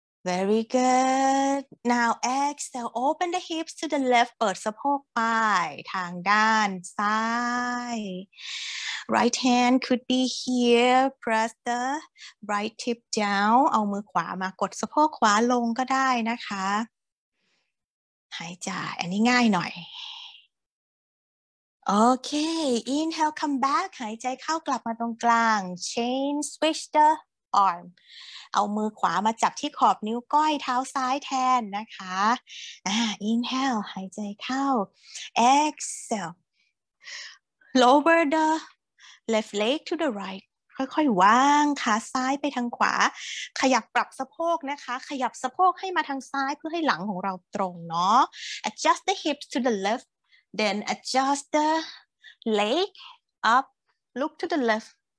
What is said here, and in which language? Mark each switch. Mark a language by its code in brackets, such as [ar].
[en] Very good Now exhale open the hips to the left [th] เปิดสะโพกไปทางด้านซ้าย [en] Right hand could be here press the right hip down [th] เอามือขวามากดสะโพกขวาลงก็ได้นะคะหายใจอันนี้ง่ายหน่อย [en] Okay, inhale, come back. [th] หายใจเข้ากลับมาตรงกลาง. [en] Chain, switch the arm. [th] เอามือขวามาจับที่ขอบนิ้วก้อยเท้าซ้ายแทนนะคะ. [en] Inhale, [th] หายใจเข้า. [en] Exhale. Lower the left leg to the right. [th] ค่อยๆวางขาซ้ายไปทางขวาขยับปรับสะโพกนะคะขยับสะโพกให้มาทางซ้ายเพื่อให้หลังของเราตรงเนาะ [en] adjust the hips to the left [th] then adjust the leg up look to the left